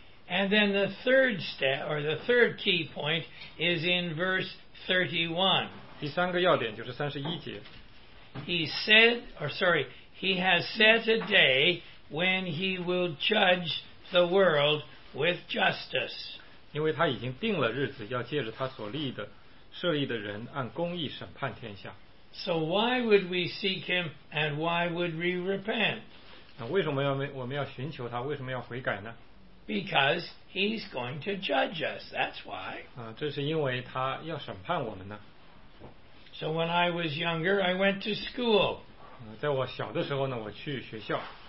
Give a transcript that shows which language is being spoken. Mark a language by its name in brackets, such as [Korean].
[English] And then the third step, or the third key point, is in verse 31. [Chinese] 第三个要点就是31节。 [English] He has set a day when he will judge the world with justice. [Chinese] 因为他已经定了日子，要借着他所立的、设立的人，按公义审判天下。 [English] So why would we seek him and why would we repent? [Chinese] 那为什么我们要寻求他？为什么要悔改呢？ [English] Because he's going to judge us. That's why. [Chinese] 这是因为他要审判我们呢。 [English] So when I was younger, I went to school. [Chinese] 在我小的时候呢，我去学校。